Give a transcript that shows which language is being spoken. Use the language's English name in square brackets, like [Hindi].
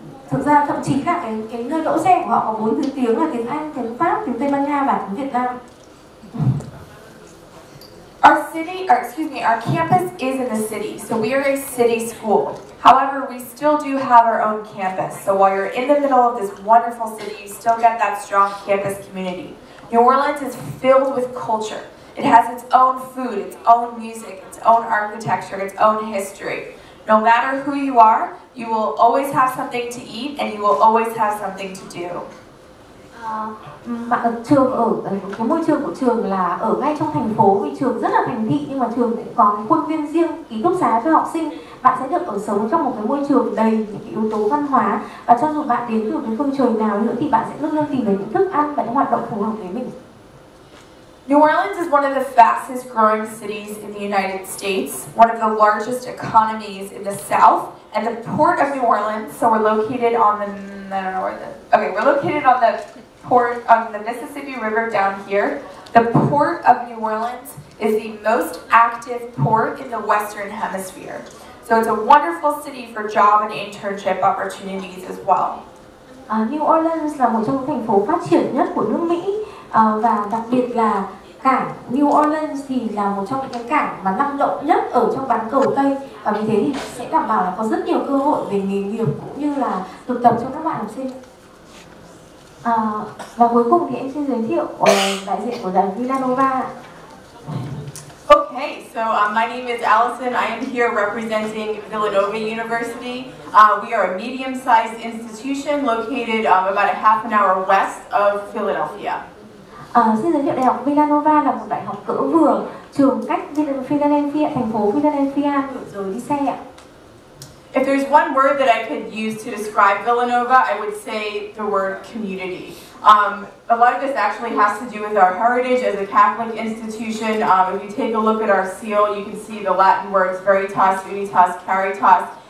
[Vietnamese] Thực ra thậm chí cả cái nơi đỗ xe của họ có 4 thứ tiếng là tiếng Anh, tiếng Pháp, tiếng Tây Ban Nha và tiếng Việt Nam. [English] Our campus is in the city, so we are a city school. However, we still do have our own campus. So while you're in the middle of this wonderful city, you still get that strong campus community. New Orleans is filled with culture. It has its own food, its own music, its own architecture, its own history. No matter who you are, you will always have something to eat and you will always have something to do. [Vietnamese] Trường ở cái môi trường của trường là ở ngay trong thành phố, vì trường rất là thành thị nhưng mà trường lại có cái khuôn viên riêng, ký túc xá cho học sinh. Bạn sẽ được ở sống trong một cái môi trường đầy những cái yếu tố văn hóa, và cho dù bạn đến từ cái phương trời nào nữa thì bạn sẽ luôn luôn tìm thấy những thức ăn và những hoạt động phù hợp với mình. [English] New Orleans is one of the fastest growing cities in the United States, one of the largest economies in the South, and the port of New Orleans. So we're located on the port of the Mississippi River down here. The port of New Orleans is the most active port in the Western Hemisphere. So it's a wonderful city for job and internship opportunities as well. [Vietnamese] New Orleans là một trong thành phố phát triển nhất của nước Mỹ, và đặc biệt là cảng New Orleans thì là một trong những cảng mà năng động nhất ở trong bán cầu Tây, và vì thế thì sẽ đảm bảo là có rất nhiều cơ hội về nghề nghiệp cũng như là thực tập cho các bạn học sinh. Và cuối cùng thì em xin giới thiệu đại diện của đoàn Villanova. [English] Okay, so my name is Allison. I am here representing Villanova University. We are a medium-sized institution located about a half an hour west of Philadelphia. [Vietnamese] Xin giới thiệu đại học Villanova là một đại học cỡ vừa, trường cách Philadelphia, thành phố Philadelphia, rồi đi xe ạ. [English] If there's one word that I could use to describe Villanova, I would say the word community. A lot of this actually has to do with our heritage as a Catholic institution. If you take a look at our seal, you can see the Latin words [Latin] veritas, unitas, caritas.